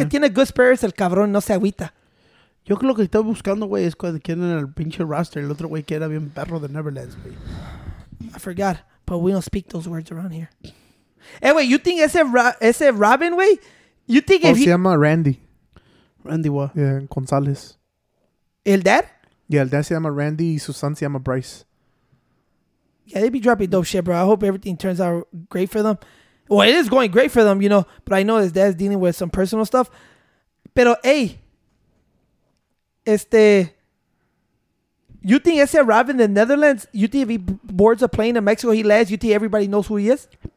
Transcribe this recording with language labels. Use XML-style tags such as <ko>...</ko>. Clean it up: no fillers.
<es>Que tiene</es> <en>good spirits,</en> <es>el cabrón no se agüita. Yo creo que estaba buscando, güey, es cuando tienen el pinche roster, el otro güey que era bien perro de Neverlands, güey.</es> <en>I forgot, but we don't speak those words around here. Hey, wait, you think ese Robin, güey? You think if he...</en> <es>Se llama Randy.</es> <en>Randy what? Yeah, González.</en> <es>El dad? Yeah, el dad se llama Randy y su son se llama Bryce.</es> <en>Yeah, they be dropping dope shit, bro. I hope everything turns out great for them. Well, it is going great for them, you know, but I know his dad's dealing with some personal stuff. Pero, hey, you think ese Robin in the Netherlands, you think if he boards a plane in Mexico, he lands, you think everybody knows who he is?</en>